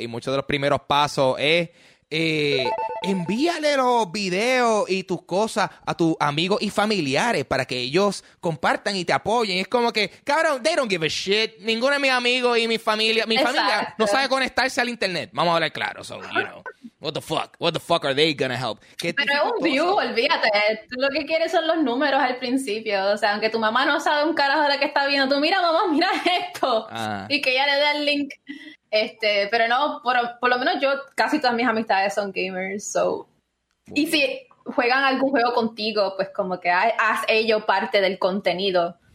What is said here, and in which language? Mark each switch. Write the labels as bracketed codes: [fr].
[es] Y muchos de los primeros pasos es envíale los videos y tus cosas a tus amigos y familiares para que ellos compartan y te apoyen. Es como que, cabrón, [en] they don't give a shit. [es] Ninguno de mis amigos y mi familia no sabe conectarse al internet. Vamos a hablar claro, [en] so, you know. What the fuck are they gonna help? [es] Pero es un view, olvídate. Tú lo que quieres son los números al principio. O sea, aunque tu mamá no sabe un carajo de lo que está viendo, tú mira, mamá, mira esto. Y que ella le dé el link. Pero no, por lo menos yo, casi todas mis amistades son gamers, so. Y si juegan algún juego contigo, pues como que haz ello parte del contenido.